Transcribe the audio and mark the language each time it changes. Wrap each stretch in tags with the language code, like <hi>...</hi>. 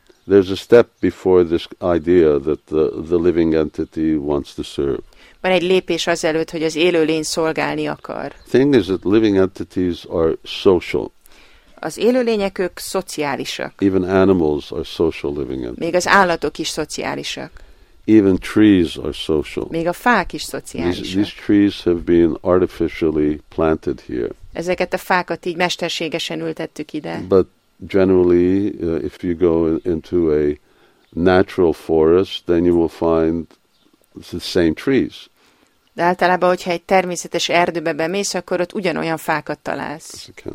<en>There's a step before this idea that the living entity wants to serve.</en> <hu>Van egy lépés azelőtt, hogy az élőlény szolgálni akar.</hu> <en>Thing is that living entities are social.</en> <hu>Az élőlények ők szociálisak.</hu> <en>Even animals are social living entities.</en> <hu>Még az állatok is szociálisak.</hu> <en>Even trees are social.</en> <hu>Még a fák is szociálisak.</hu> <en>These trees have been artificially planted here.</en> <hu>Ezeket a fákat így mesterségesen ültettük ide.</hu> <en>But generally, if you go into a natural forest, then you will find the same trees.</en> <hu>De általában, hogyha egy természetes erdőbe bemész, akkor ott ugyanolyan fákat találsz.</hu>